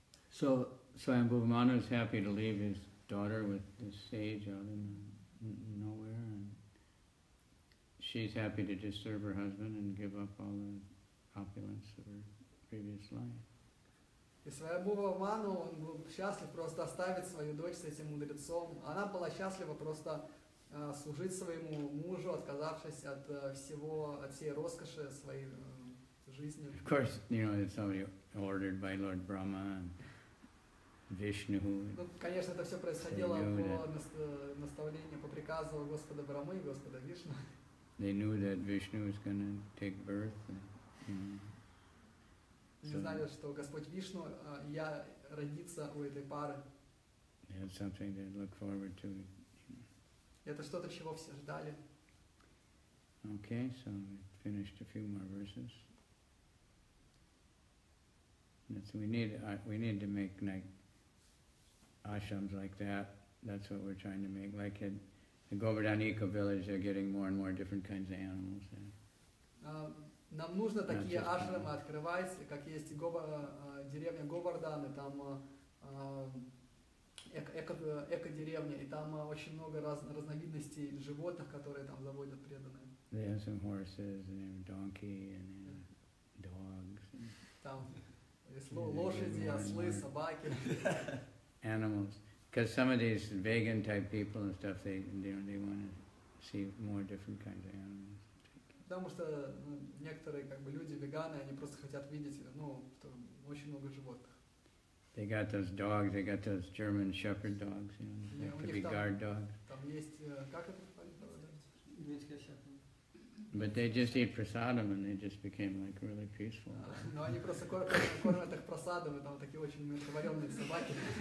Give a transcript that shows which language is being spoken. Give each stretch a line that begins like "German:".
English: So Swayambhu Manu is happy to leave his daughter with the sage out in nowhere, and she's happy to just serve her husband and give up all the opulence of her previous life.
Russian: И Свайбхува Ману, он был счастлив просто оставить свою дочь с этим мудрецом. Она была счастлива просто служить своему мужу, отказавшись от всего, от всей роскоши своей жизни.
English: Of course, you know, it's already ordered by Lord Brahma and Vishnu.
Russian: Ну, конечно, это все происходило по наставлению, по приказу Господа Брамы и Господа Вишну.
English: They knew that Vishnu was going to take birth. And, you know.
Russian: Они знали, что Господь Вишну, я родиться у этой пары. Это что-то, чего все ждали.
English: Okay, so we finished a few more verses. That's, we need to make like ashrams like that. That's what we're trying to make. Like in the Govardhan Eco Village, they're getting more and more different kinds of animals.
Russian: Нам нужно такие ашрамы открывать, как есть деревня Говардан, и там эко-деревня, и там очень много разновидностей животных, которые там заводят преданные.
English: They have some horses, and they have donkey, and they have dogs.
Russian: Там лошади, ослы, собаки.
English: Animals. Because some of these vegan type people and stuff, they want to see more different kinds of animals.
Russian: Потому что некоторые как бы люди веганы, они просто хотят видеть, ну, очень много животных.
English: They got those dogs, they got those German shepherd dogs, you know, they could be guard dogs.
Russian: Там есть, как это называется?
English: But they just eat prasadam and they just became like really peaceful. Но они просто кормят их прасадом, и там такие очень умиротворенные собаки.